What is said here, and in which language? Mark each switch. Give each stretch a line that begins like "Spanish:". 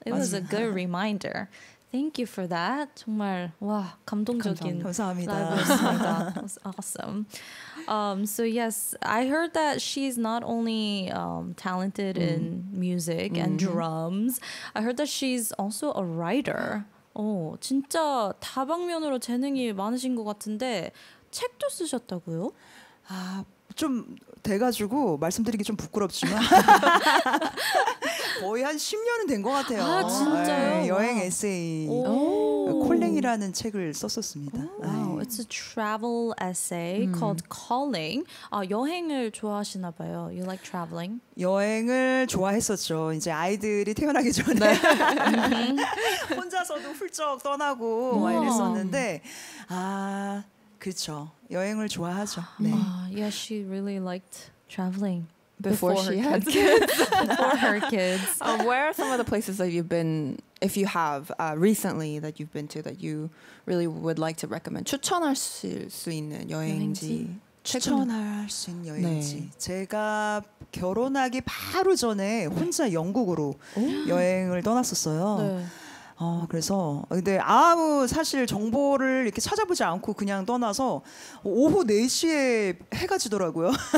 English: It was a good reminder. Thank you for that.
Korean: 정말 와 감동적인 감사합니다.
English: Live였습니다. That was awesome. So yes, I heard that she's not only talented in music and drums. I heard that she's also a writer.
Korean: 오 진짜 다방면으로 재능이 많으신 것 같은데 책도 쓰셨다고요? 아 좀 돼가지고 말씀드리기 좀 부끄럽지만 거의 한 10년은 된 것 같아요. 아 진짜요? 네, 여행 에세이 콜링이라는 책을 썼었습니다.
English: It's a travel essay called Calling.
Korean: 아, 여행을 좋아하시나 봐요.
English: You like traveling?
Korean: 여행을 좋아했었죠. 이제 아이들이 태어나기 전에 혼자서도 훌쩍 떠나고 와 이랬었는데 아 그렇죠. 여행을 좋아하죠. 네.
English: Yeah, she really liked traveling before her kids. Where are some of the places that you've been, if you have recently that you've been to that you really would like to recommend?
Korean: 추천할 수 있는 여행지. 추천할 수 있는 여행지. 네. 제가 결혼하기 바로 전에 혼자 영국으로 여행을 떠났었어요. 네. 어 그래서 근데 아무 사실 정보를 이렇게 찾아보지 않고 그냥 떠나서 오후 4시에 해가 지더라고요.